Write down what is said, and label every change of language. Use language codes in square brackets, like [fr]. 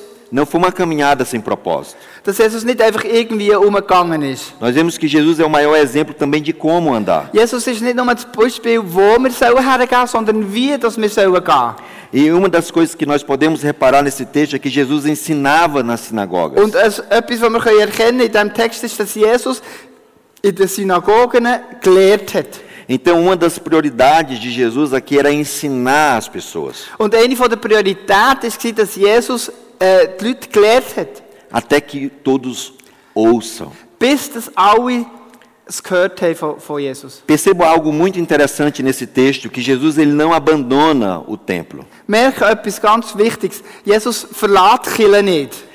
[pt] não foi uma caminhada sem propósito. [de] Dass Jesus nicht einfach irgendwie umgegangen ist. [pt] Nós vemos que Jesus é o maior exemplo também de como andar. [de] Jesus ist nicht nur das Beispiel, wo wir sollen hergehen, sondern wie dass wir sollen gehen. [pt] E uma das coisas que nós podemos reparar nesse texto é que Jesus ensinava nas sinagogas. [de] Und etwas, was wir erkennen in diesem Text, ist, dass Jesus in den Synagogen gelehrt hat. [pt] Então, uma das prioridades de Jesus aqui era ensinar as pessoas. [de] Und eine von der Prioritäten war, dass Jesus die Leute gelehrt hat. [pt] Até que todos ouçam. [de] Bis das alle es gehört haben von Jesus. [pt] Perceba algo muito interessante nesse texto, que Jesus ele não abandona o templo. [de] Merke etwas ganz Wichtiges. Jesus verlässt die Kirche nicht.